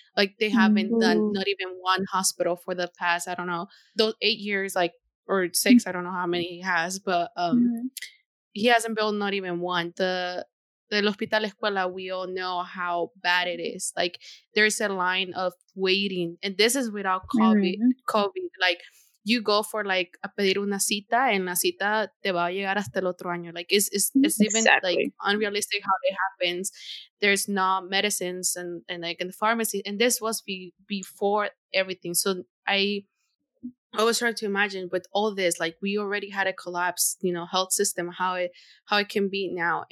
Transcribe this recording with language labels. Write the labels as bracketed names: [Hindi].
[English] Like, they haven't done not even one hospital for the past, I don't know, those 8 years, like, or six, I don't know how many he has, but he hasn't built not even one. The Hospital Escuela, we all know how bad it is. Like, there's a line of waiting, and this is without COVID. Like, you go for like a [Spanish] pedir una cita, and la cita te va a llegar hasta el otro año. [English] Like, it's even like unrealistic how it happens. There's not medicines and like in the pharmacy, and this was before everything. So I was trying to imagine with all this, like, we already had a collapse, you know, health system, how it can be now.